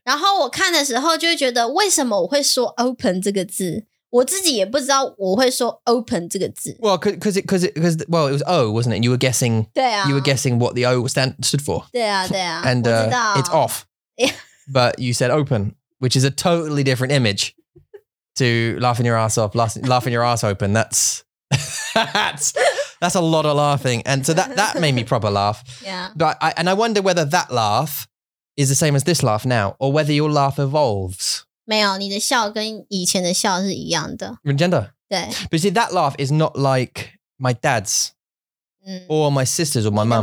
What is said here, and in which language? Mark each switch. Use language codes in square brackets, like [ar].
[zh] 然后我看的时候就会觉得为什么我会说 open这个字。我自己也不知道我会说open这个字。 [en] Well, because it was O, wasn't it? You were guessing. [zh] 对啊。 [en] You were guessing what the O stood for. [zh] 对啊。 [en] And it's off. But you said open, which is a totally different image to laughing your ass off, laughing your ass open. That's a lot of laughing. And so that made me proper laugh. Yeah. But I wonder whether that laugh is the same as this laugh now, or whether your laugh evolves. [zh] 没有，你的笑跟以前的笑是一样的。 Regenda. 对。 [en] But you see, that laugh is not like my dad's, or my sister's, or my mum's.